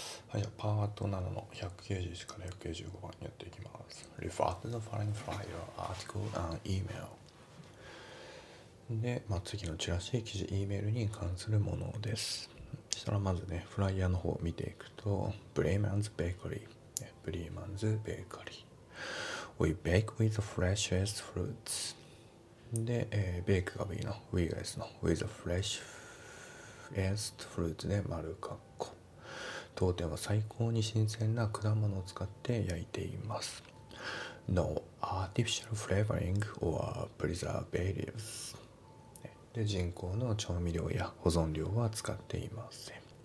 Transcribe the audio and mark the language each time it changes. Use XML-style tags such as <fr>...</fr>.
<ja>はい、じゃあパート7の190から195番やっていきます。</ja> <en>Refer to the following flyer, article, and email.</en> <ja>で、まあ、次のチラシ、記事、email に関するものです。そしたらまずね、フライヤーの方を見ていくと、Bremen's Bakery。</ja> <en>Bremen's Bakery。 We bake with the freshest fruits.</en> <ja>で、ベークがいいの。</ja> <en>We guys</en> <ja>の。</ja> <en>With the freshest fruits</en> <ja>で丸括弧。当店は最高に新鮮な果物を使って焼いています。</ja> <en>No artificial flavoring or preservatives。</en> <ja>で、人工の調味料や保存料は使っていません。</ja>